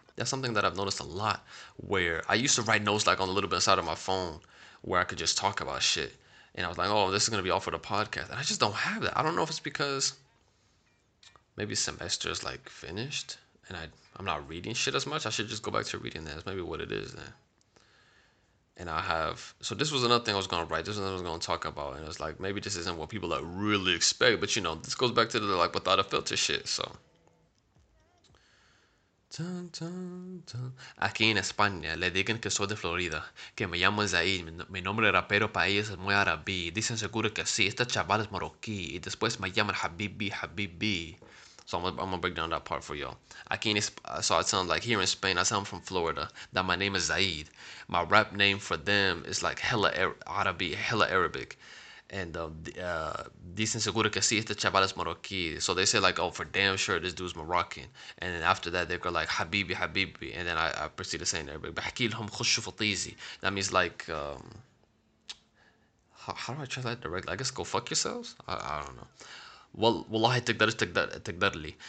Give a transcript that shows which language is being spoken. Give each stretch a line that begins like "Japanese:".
English: That's something that I've noticed a lot, where I used to write notes like on a little bit inside of my phone where I could just talk about shit, and I was like, oh, this is gonna be all for the podcast, and I just don't have that. I don't know if it's because maybe semester is like finished and I'm not reading shit as much. I should just go back to reading. That's maybe what it is then. And I have, so this was another thing I was going to write. This is what I was going to talk about. And it was like, maybe this isn't what people like really expect. But, you know, this goes back to the like without a filter shit. So. Dun, dun, dun.
Spanish: Aquí en España, le digan que soy de Florida. Que me llamo Zahid. Mi nombre rapero para ellos es muy árabe. Dicen seguro que sí. Este chaval es marroquí. Y después me llaman Habibi.
English: So I'm gonna break down that part for y'all. So I sound like here in Spain, I sound from Florida, that my name is Zaid. My rap name for them is like hella Arabic, hella Arabic.
Spanish: And dicen seguro que sí, este chaval es Marroquí.
English: So they say like, oh, for damn sure, this dude's Moroccan. And then after that, they go like, Habibi, Habibi. And then I proceed to say in Arabic,
Arabic: Bahkilhum khushu fatizi.
English: That means like, how do I translate that directly? I guess go fuck yourselves? I don't know. Well,
Arabic: wallahi tagdarli.